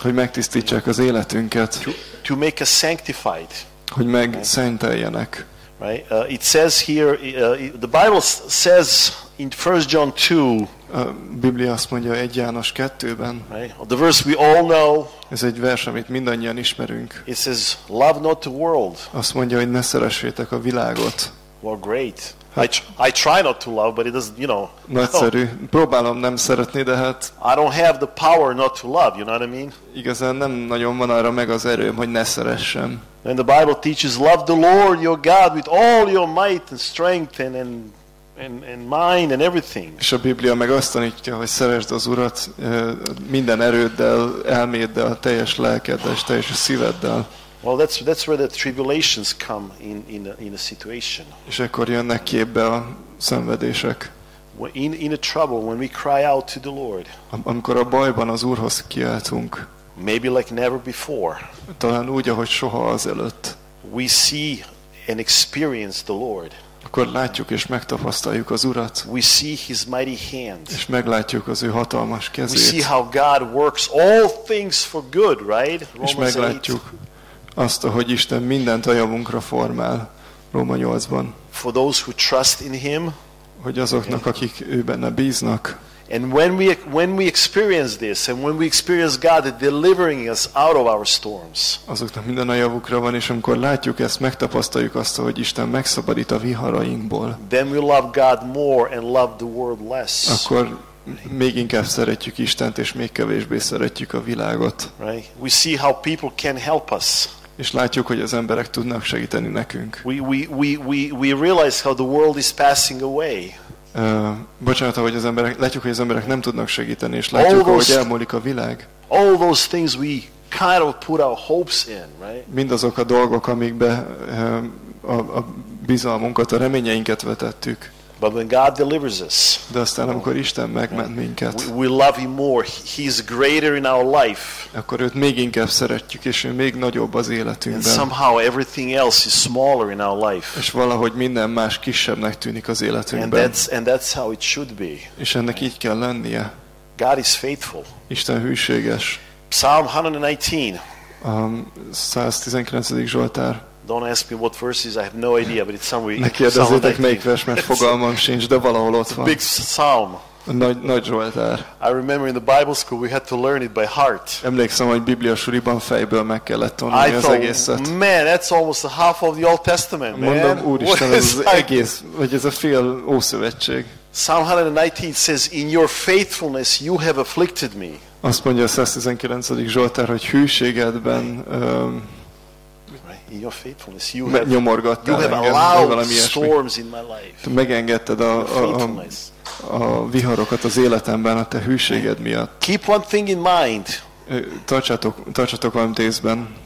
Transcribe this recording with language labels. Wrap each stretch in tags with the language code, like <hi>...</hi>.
<hu>Hogy megtisztítsák az életünket.</hu> <en>To make us sanctified.</en> <hu>Hogy megszenteljenek.</hu> <en>Right? It says here, the Bible says in 1 John 2.</en> <hu>A Biblia azt mondja 1 János 2-ben.</hu> <en>Right? The verse we all know.</en> <hu>Ez egy vers, amit mindannyian ismerünk.</hu> <en>It says, love not the world.</en> <hu>Azt mondja, hogy ne szeressétek a világot.</hu> <en>Well, great. I try not to love, but it doesn't, you know.</en> <hu>Nagyszerű. Próbálom nem szeretni, de hát.</hu> <en>I don't have the power not to love. You know what I mean?</en> <hu>Igazán nem nagyon van arra meg az erőm, hogy ne szeressem.</hu> <en>And the Bible teaches, love the Lord your God with all your might and strength and mind and everything.</en> <hu>És a Biblia meg azt tanítja, hogy szeresd az Urat minden erőddel, elméddel, teljes lelkeddel, teljes szíveddel.</hu> <en>Well, that's where the tribulations come in a situation.</en> <hu>És ekkor jönnek képbe a szenvedések.</hu> <en>In a trouble, when we cry out to the Lord.</en> <hu>Amikor a bajban az Úrhoz kiáltunk.</hu> <en>Maybe like never before.</en> <hu>Talán úgy, ahogy soha azelőtt.</hu> <en>We see and experience the Lord.</en> <hu>Akkor látjuk és megtapasztaljuk az Urat.</hu> <en>We see his mighty hand.</en> <hu>És meglátjuk az ő hatalmas kezét.</hu> <en>We see how God works all things for good, right?</en> <hu>És meglátjuk azt, hogy Isten mindent a javunkra formál, Róma 8-ban.</hu> <en>For those who trust in him,</en> <hu>hogy azoknak, okay, akik ő benne bíznak.</hu> <en>And when we experience this, and when we experience God delivering us out of our storms.</en> <hu>Azoknak minden a javukra van, és amikor látjuk ezt, megtapasztaljuk azt, hogy Isten megszabadít a viharainkból.</hu> <en>Then we love God more and love the world less.</en> <hu>Akkor még inkább szeretjük Istent, és még kevésbé szeretjük a világot.</hu> <en>Right. We see how people can help us.</en> <hu>És látjuk, hogy az emberek tudnak segíteni nekünk.</hu> <en>We realize how the world is passing away.</en> <hu>Bocsánat, hogy az emberek, látjuk, hogy az emberek nem tudnak segíteni, és látjuk, hogy elmúlik a világ.</hu> <en>All those things we kind of put our hopes in, right?</en> <hu>Mindazok a dolgok, amikbe a bizalmunkat, a reményeinket vetettük.</hu> <en>But when God delivers us,</en> <hu>de aztán, amikor Isten megment minket,</hu> <en>we love him more. He is greater in our life.</en> <hu>Akkor őt még inkább szeretjük, és ő még nagyobb az életünkben.</hu> <en>And somehow everything else is smaller in our life.</en> <hu>És valahogy minden más kisebbnek tűnik az életünkben.</hu> <en>And that's how it should be.</en> <hu>És ennek így kell lennie.</hu> <en>God is faithful.</en> <hu>Isten hűséges.</hu> <en>Psalm 119.</en> <hu>119. Zsoltár.</hu> <en>Don't ask me what verse is, I have no idea, but it's somewhere.</en> <hu>Ne kérdezzétek melyik vers, mert fogalmam sincs, de valahol ott van.</hu> <en>Big Psalm.</en> <hu>Nagy Zsoltár.</hu> <en>I remember in the Bible school we had to learn it by heart.</en> <hu>Emlékszem, hogy Biblia suriban fejből meg kellett tanulni az egészet.</hu> <en>Man, that's almost a half of the Old Testament, man.</en> <hu>Mondom, Úristen, ez az egész, vagy ez a fél Ószövetség.</hu> <en>Psalm 119 says, in your faithfulness you have afflicted me.</en> <hu>Azt mondja a 119. Zsoltár, hogy hűségedben</hu> <en>in your faithfulness you have allowed storms in my life.</en> <hu>Megengedted a viharokat az életemben a te hűséged miatt.</hu> <en>Keep one thing in mind.</en> <hu>Tartsatok valamit észben.</hu>